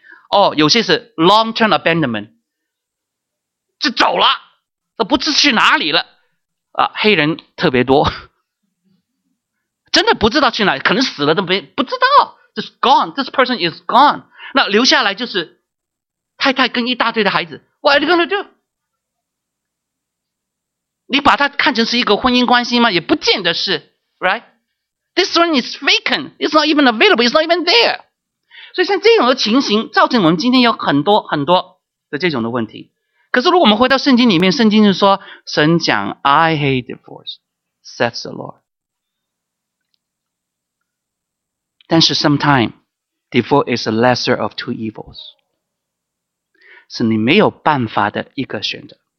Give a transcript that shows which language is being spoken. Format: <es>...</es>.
<zh>哦，有些是</zh> <en>long term abandonment，</en> <zh>就走了，都不知去哪里了、啊、黑人特别多，真的不知道去哪里，可能死了都没不知道，</zh> <en>just gone， this person is gone，</en> <zh>那留下来就是太太跟一大堆的孩子，</zh> <en>What are you gonna do？</en> <zh>你把它看成是一个婚姻关系吗？也不见得是， right？</zh> <en>This one is vacant， it's not even available， it's not even there。</en> <zh>所以像这种的情形造成我们今天有很多很多的这种的问题。可是如果我们回到圣经里面，圣经就说神讲</zh> <en>I hate divorce， says the Lord。</en> <zh>但是</zh> <en>sometime divorce is a lesser of two evils，</en> <zh>是你没有办法的一个选择。</zh>